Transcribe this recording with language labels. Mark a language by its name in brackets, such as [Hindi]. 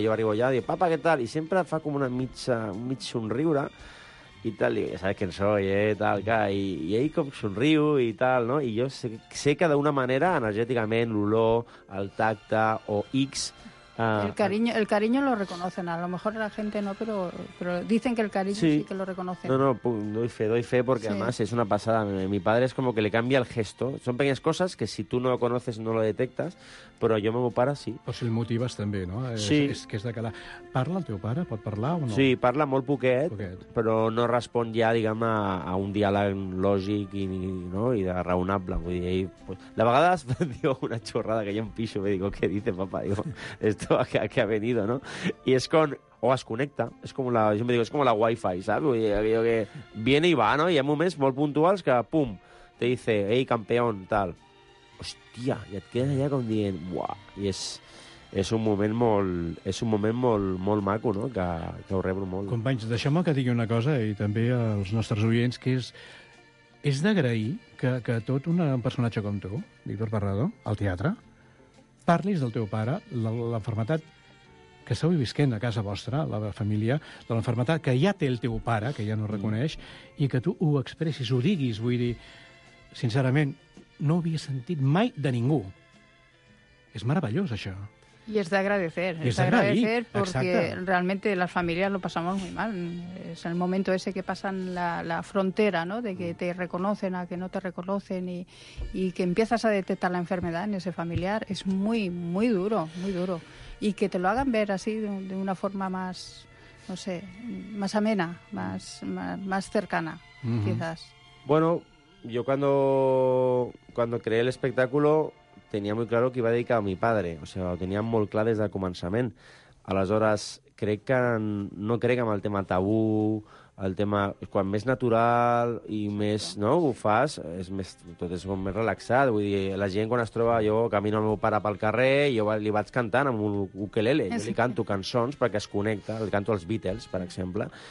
[Catalan] Jo arribo allà i dic, papa, què tal? I sempre fa com una mitja, un mig somriure i tal. I saps quin soy, eh? Tal, que, i ell com somriu i tal, no? I jo sé que d'una manera, energèticament, l'olor, el tacte o X... [Spanish] El cariño lo reconocen. A lo mejor la gente no, pero dicen que el cariño sí que lo reconocen. No, doy fe porque sí, además es una pasada. Mi padre es como que le cambia el gesto. Son pequeñas cosas que si tú no lo conoces no lo detectas, pero yo me paro, sí. O si el motivas también, ¿no? Sí. Es que es de calar. [Catalan] ¿Parla el teu pare? ¿Pot parlar o no? Sí, parla molt poquet. Però no respon ja, diguem, a un diàleg lògic i, no, i de raonable. Vull dir, ell, pues, de vegades diu una xorrada que jo em pixo, [Spanish] me digo, ¿qué dice, papá? Digo, esto a qué ha venido, ¿no? Y es con... [Catalan] O es connecta. [Spanish] Es como la, yo me digo, es como la Wi-Fi, ¿sabes? [Catalan] Vull dir, [Spanish] que viene y va, ¿no? Y hay [Catalan] moments molt puntuals [Spanish] que, pum, te dice, ey, campeón, tal. [Catalan] Hòstia, i et quedes allà com dient, buah, i és un moment molt maco, no?, que ho rebro molt. Companys, deixeu-me que digui una cosa, i també als nostres oients, que és d'agrair que tot un personatge com tu, Víctor Parrado, al teatre, parlis del teu pare, l'enfermetat que esteu vivint a casa vostra, la família, de l'enfermetat que ja té el teu pare, que ja no reconeix, i que tu ho expressis, ho diguis, vull dir, sincerament, no havia sentit mai de ningú. És meravellós, això. I és d'agradecer. És d'agradecer [Spanish] perquè realmente las familias lo pasamos muy mal. Es el momento ese que pasan la frontera, ¿no? De que te reconocen a que no te reconocen y que empiezas a detectar la enfermedad en ese familiar. Es muy, muy duro, muy duro. Y que te lo hagan ver así de una forma más, no sé, más amena, más cercana, quizás. Bueno... Yo cuando creé el espectáculo tenía muy claro que iba dedicado a mi padre, o sea, lo tenía muy claro desde el comenzamiento. [Catalan] Aleshores, crec que no crec en el tema tabú, el tema... Quan més natural i més, no?, ho fas, és més, tot és més relaxat. Vull dir, la gent quan es troba, jo camino al meu pare pel carrer, jo li vaig cantant amb un ukelele. Jo li canto cançons perquè es connecta. Li canto als Beatles, per exemple.